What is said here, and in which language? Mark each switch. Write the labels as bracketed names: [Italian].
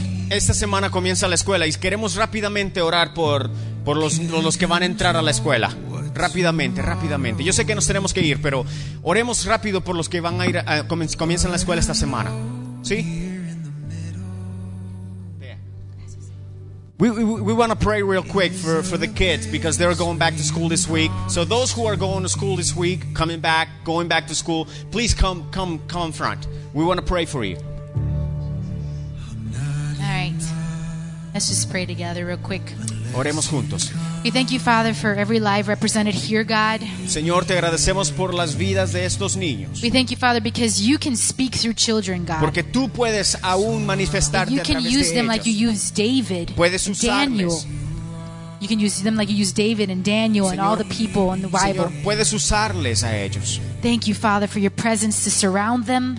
[Spanish] Esta semana comienza la escuela y queremos rápidamente orar por los que van a entrar a la escuela. Rápidamente. Yo sé que nos tenemos que ir, pero oremos rápido por los que van a ir a comienzan la escuela esta semana. ¿Sí? [English] We want to pray real quick for the kids because they're going back to school this week. So those who are going to school this week, going back to school, please come front. We want to pray for you. Let's just pray together real quick. [Spanish] Oremos juntos. [English] We thank you, Father, for every life represented here, God. [Spanish] Señor, te agradecemos por las vidas de estos niños. [English] We thank you, Father, because you can speak through children, God. [Spanish] Porque tú puedes aún manifestarte [English] you can [Spanish] a través [English] use [Spanish] de [English] them [Spanish] ellos. [English] Like you use David, [Spanish] puedes usarles. [English] Daniel. You can use them like you use David and Daniel, [Spanish] Señor, [English] and all the people in the Bible. [Spanish] Señor, puedes usarles a ellos. [English] Thank you, Father, for your presence to surround them.